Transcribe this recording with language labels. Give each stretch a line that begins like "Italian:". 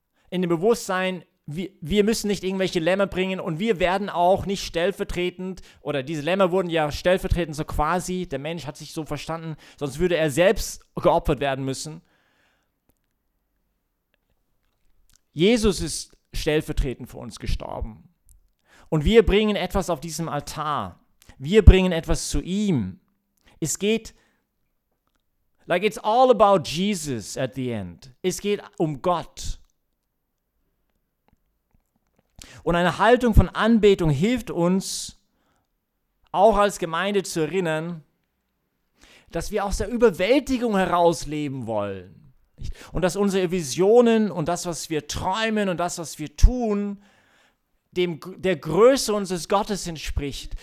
German: In dem Bewusstsein, wir müssen nicht irgendwelche Lämmer bringen und wir werden auch nicht stellvertretend, oder diese Lämmer wurden ja stellvertretend so quasi, der Mensch hat sich so verstanden, sonst würde er selbst geopfert werden müssen. Jesus ist stellvertretend für uns gestorben. Und wir bringen etwas auf diesem Altar. Wir bringen etwas zu ihm. Es geht,
English: like it's all about Jesus at the end.
German: Es geht um Gott. Und eine Haltung von Anbetung hilft uns, auch als Gemeinde zu erinnern, dass wir aus der Überwältigung heraus leben wollen. Und dass unsere Visionen und das, was wir träumen und das, was wir tun, der Größe unseres Gottes entspricht.